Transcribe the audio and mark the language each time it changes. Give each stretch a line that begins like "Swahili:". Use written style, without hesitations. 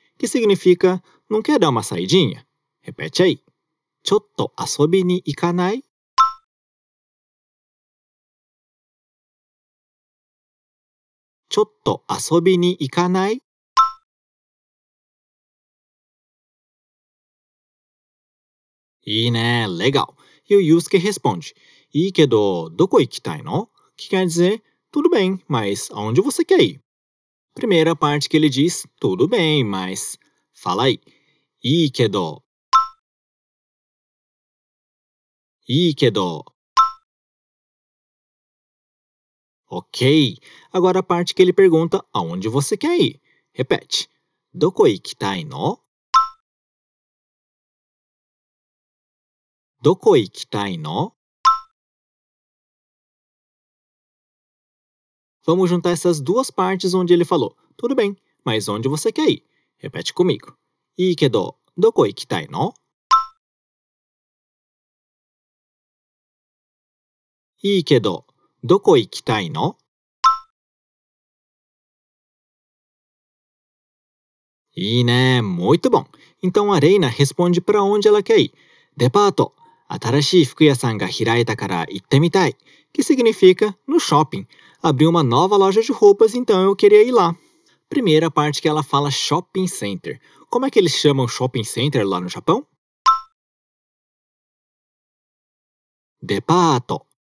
Portuguese: Que significa, não quer dar uma saidinha? Repete aí.
Japanese: ちょっと遊びに行かない? ちょっと遊びに行かない? いいね、
Portuguese: legal! E o Yusuke responde.
Japanese: いいけど、どこ行きたいの？
Portuguese: Que quer dizer, tudo bem, mas onde você quer ir? Primeira parte que ele diz, tudo bem, mas... Fala aí.
Japanese: いいけど。いいけど。
Portuguese: Ok. Agora a parte que ele pergunta, aonde você quer ir? Repete.
Japanese: どこ行きたいの？どこ行きたいの？
Portuguese: Vamos juntar essas duas partes onde ele falou. Tudo bem, mas onde você quer ir? Repete comigo.
Japanese: いいけど、どこ行きたいの？いいけど、どこ行きたいの？いいね、
Portuguese: muito bom! Então a Reina responde para onde ela quer ir.
Japanese: デパート。新しい服屋さんが開いたから行ってみたい。
Portuguese: Que significa no shopping. Abriu uma nova loja de roupas, então eu queria ir lá. Primeira parte que ela fala shopping center. Como é que eles chamam shopping center lá no Japão? Depato.